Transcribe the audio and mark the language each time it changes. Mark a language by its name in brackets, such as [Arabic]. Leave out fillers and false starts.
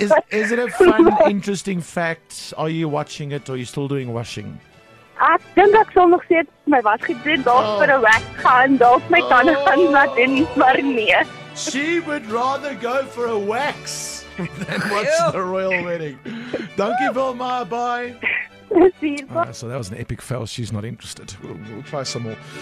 [English] Is it a fun, interesting fact? Are you watching it or are you still doing washing? [Afrikaans] Ek dink ek sal nog steeds my wasgoed doen, dalk vir 'n wax gaan, dalk my tande gaan laat doen, maar nee. [English] She would rather go for a wax than watch the royal wedding. [Afrikaans] Dankie Wilma, bye. [English] See you. So that was an epic fail. She's not interested. We'll try some more.